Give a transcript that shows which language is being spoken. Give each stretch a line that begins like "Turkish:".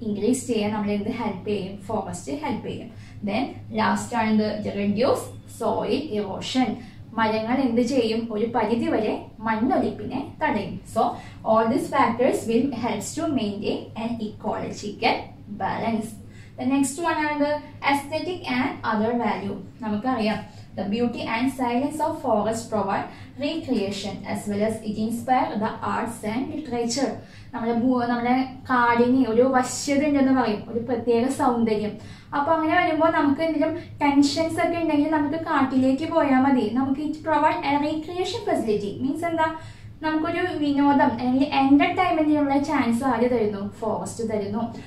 Malayalam: Increase ചെയ്യാൻ നമ്മളെ എന്ത് ഹെൽപ്പ് ചെയ്യും? ഫോറസ്റ്റ് ഹെൽപ്പ് ചെയ്യും. ദെൻ ലാസ്റ്റ് ആണ് റിഡ്യൂസ് സോയിൽ ഇറോഷൻ. മരങ്ങൾ എന്ത് ചെയ്യും? ഒരു പരിധി വരെ മണ്ണൊലിപ്പിനെ തടയും.
English: So all these factors will helps to maintain an ecological balance. The next one are the aesthetic and other value.
Malayalam: Namakariya,
English: the beauty and silence of forest provide recreation as well as it inspire the arts and literature.
Malayalam: നമ്മുടെ നമ്മുടെ കാടിന് ഒരു വശ്യത ഉണ്ടെന്ന് പറയും, ഒരു പ്രത്യേക സൗന്ദര്യം. അപ്പൊ അങ്ങനെ വരുമ്പോൾ നമുക്ക് എന്തെങ്കിലും ടെൻഷൻസ് ഒക്കെ ഉണ്ടെങ്കിൽ നമുക്ക് കാട്ടിലേക്ക് പോയാൽ മതി. നമുക്ക്
English: It provide a recreation facility.
Malayalam: Means എന്താ? നമുക്കൊരു വിനോദം അല്ലെങ്കിൽ എന്റർടൈൻമെന്റിനുള്ള ചാൻസ് ആര് തരുന്നു? ഫോറസ്റ്റ് തരുന്നു.